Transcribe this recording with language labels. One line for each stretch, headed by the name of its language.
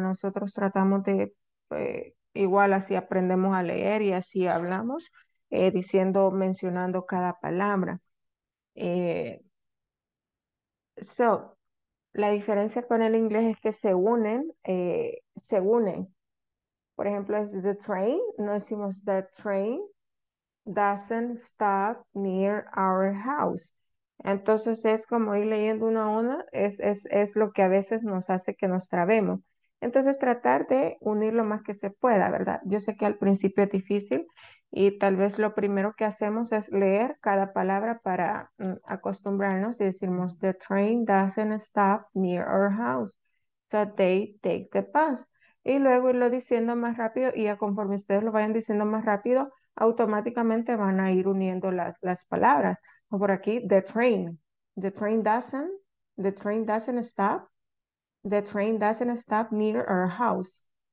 Spanish: Nosotros tratamos de, igual así aprendemos a leer y así hablamos, diciendo, mencionando cada palabra. So, la diferencia con el inglés es que se unen. Por ejemplo, es
English: the train,
Spanish: no decimos
English: the train doesn't stop near our house.
Spanish: Entonces es como ir leyendo una a una, es lo que a veces nos hace que nos trabemos. Entonces tratar de unir lo más que se pueda, ¿verdad? Yo sé que al principio es difícil y tal vez lo primero que hacemos es leer cada palabra para acostumbrarnos y decimos,
English: the train doesn't stop near our house, so they take the bus.
Spanish: Y luego irlo diciendo más rápido y ya conforme ustedes lo vayan diciendo más rápido, automáticamente van a ir uniendo las palabras. O por aquí,
English: the train doesn't stop, the train doesn't stop near our house.